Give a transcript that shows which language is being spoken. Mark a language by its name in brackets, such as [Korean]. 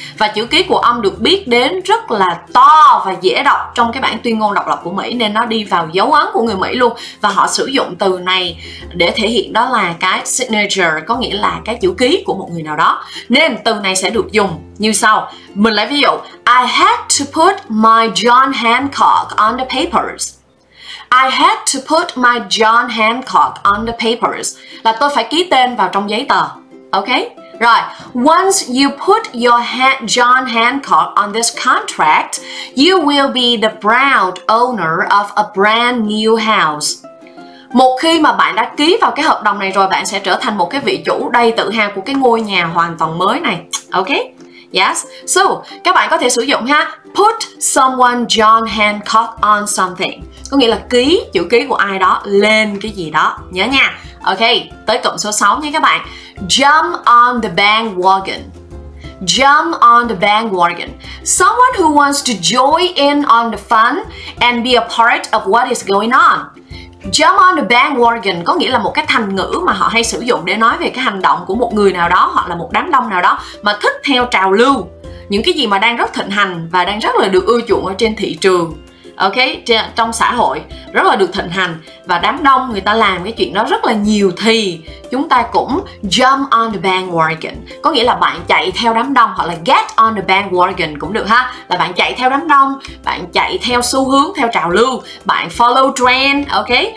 [Vietnamese] Và chữ ký của ông được biết đến rất là to và dễ đọc trong cái bản tuyên ngôn độc lập của Mỹ, nên nó đi vào dấu ấn của người Mỹ luôn. Và họ sử dụng từ này để thể hiện đó là cái signature, có nghĩa là cái chữ ký của một người nào đó. Nên từ này sẽ được dùng như sau. Mình lấy ví dụ. [English] I had to put my John Hancock on the papers. I had to put my John Hancock on the papers. [Vietnamese] Là tôi phải ký tên vào trong giấy tờ. Ok? Rồi. [English] Once you put your John Hancock on this contract, you will be the proud owner of a brand new house. [Vietnamese] Một khi mà bạn đã ký vào cái hợp đồng này rồi, bạn sẽ trở thành một cái vị chủ đầy tự hào của cái ngôi nhà hoàn toàn mới này. Ok? Yes. [English] So, [Vietnamese] các bạn có thể sử dụng ha. [English] Put someone John Hancock on something. [Vietnamese] Có nghĩa là ký chữ ký của ai đó lên cái gì đó. Nhớ nha. Ok, tới cụm số 6 nha các bạn. Jump on the bandwagon. [English] Jump on the bandwagon. Someone who wants to join in on the fun and be a part of what is going on. [Vietnamese] Jump on the bandwagon có nghĩa là một cái thành ngữ mà họ hay sử dụng để nói về cái hành động của một người nào đó hoặc là một đám đông nào đó mà thích theo trào lưu, những cái gì mà đang rất thịnh hành và đang rất là được ưa chuộng ở trên thị trường, ok, trong xã hội rất là được thịnh hành và đám đông người ta làm cái chuyện đó rất là nhiều, thì chúng ta cũng jump on the bandwagon, có nghĩa là bạn chạy theo đám đông, hoặc là get on the bandwagon cũng được ha, là bạn chạy theo đám đông, bạn chạy theo xu hướng, theo trào lưu, bạn follow trend, ok.